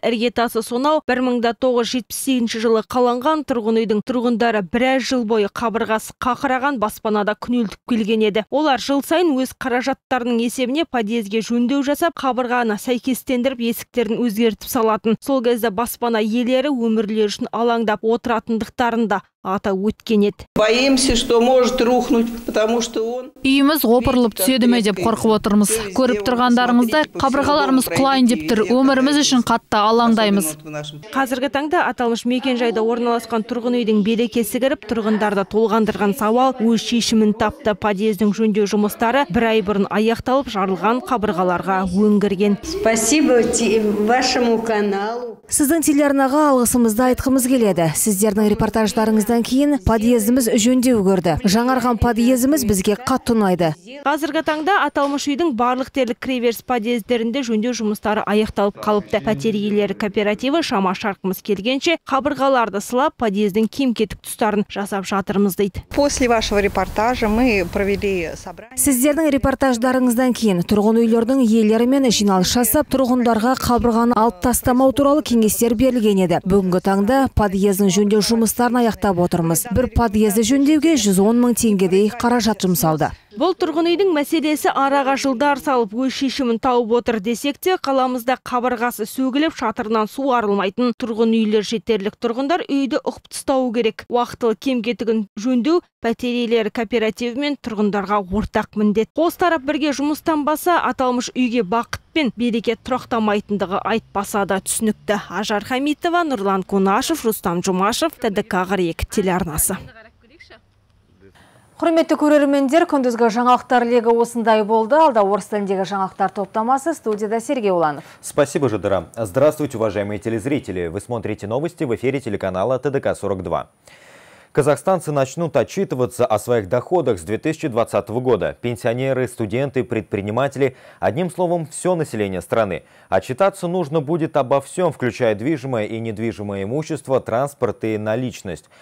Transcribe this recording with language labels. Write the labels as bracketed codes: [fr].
[kk] Іргетасы сонау 1978 жылы қаланған тұрғын үйдің тұрғындары біраз жыл бойы қабырғасы қақыраған баспанада күнелтіп келген еді. Олар жыл сайын өз қаражаттарының есебіне подъезге жөндеу жасап, қабырғаны сәйкестендіріп, есіктерін өзгертіп салатын. Сол кезде баспана иелері өмірлері үшін алаңдап отыратындықтарында ата өткен еді. [ru] Боимся, что может рухнуть, потому что он. [kk] Үйіміз опырылып түседі ме деп қорқып отырмыз. Көріп тұрғандарыңызды, қабырғаларымыз құлайын деп тұр. Өміріміз үшін қатты алаңдаймыз. Қазіргі таңда аталмыш мекен жайда орналасқан тұрғын үйдің берекесі кіріп, тұрғындарды толғандырған сауал өз шешімін тапты. Подъездің жөндеу жұмыстары бір ай бұрын аяқталып, жарылған қабырғаларға өңгірген. [ru] Спасибо вашему каналу. [kk] Сіздің телеарнаға алғысымызды айтқымыз келеді. Сіздердің репортаждарыңыздан кейін подъездіміз жөндеу көрді. Жаңарған подъездіміз бізге қатты ұнайды. Қазіргі таңда аталмыш үйдің барлық дерлік кіреберіс подъездерінде жөндеу жұмыстары аяқталып қалыпты. Пәтер иелері кооперативі шама шарқымыз келгенше қабырғаларды сылап, подъездің кем-кетік тұстарын жасап жатырмыз дейді. [ru] После вашего репортажа мы провели собрание. [kk] Сіздердің репортаждарыңыздан кейін тұрғын үйлердің иелерімен жиналыс жасап, тұрғындарға қабырғаны алып тастамау туралы кеңестер берілген еді. Бүгінгі таңда подъездің жөндеу жұмыстарын аяқтап отырмыз. Бір подъезді жөндеуге 110 мың теңгедей қаражат жұмсалды. Бұл тұрғын үйдің мәселесі араға жылдар салып өз шешімін тауып отыр десек те, қаламызда қабырғасы сөгіліп, шатырынан су арылмайтын тұрғын үйлер жетерлік. Тұрғындар үйді ұқып тұстауы керек. Уақытылы кем-кетігін жөндеу пәтер иелері кооперативі мен тұрғындарға ортақ міндет. Қос тарап бірге жұмыстанбаса, аталмыш үйге бақыт пен береке тұрақтамайтындығы айтпаса да түсінікті. Ажар Хамитова, Нұрлан Қонашев, Рустам Жұмашев, ТДК ғарек телеарнасы. Құрметті көрермендер, күндізгі жаңалықтар легі осындай болды. Алда орыс тіліндегі жаңалықтар топтамасы, студияда Сергей Уланов. [ru] Спасибо, Жадыра. Здравствуйте, уважаемые телезрители. Вы смотрите новости в эфире телеканала ТДК-42. Казахстанцы начнут отчитываться о своих доходах с 2020 года. Пенсионеры, студенты, предприниматели, одним словом, все население страны. Отчитаться нужно будет обо всем, включая движимое и недвижимое имущество, транспорт и наличность.